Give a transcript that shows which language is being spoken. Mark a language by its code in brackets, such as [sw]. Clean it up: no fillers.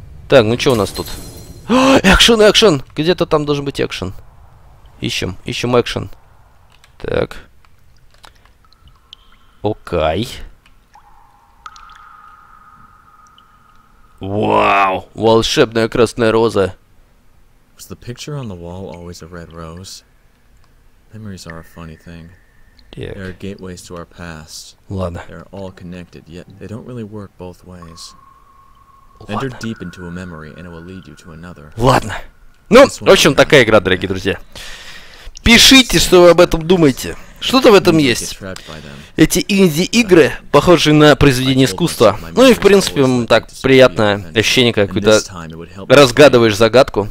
[ru] Так, ну что у нас тут? Экшен, экшен! Где-то там должен быть экшен. Ищем, ищем экшен. Так. Окай. Вау! Волшебная красная роза. [en] Was the picture on the wall always a red rose? Memories are a funny thing. Yeah. There are gateways to our past. [ru] Ладно. [en] They're all connected, yet they don't really work both ways. Enter deep into a memory and it will lead you to another. [ru] Ладно. Ну, в общем, такая игра, дорогие друзья. Пишите, что вы об этом думаете. Что-то в этом есть. Эти инди-игры, похожие на произведение искусства. Ну и, в принципе, так приятное ощущение, как когда разгадываешь загадку.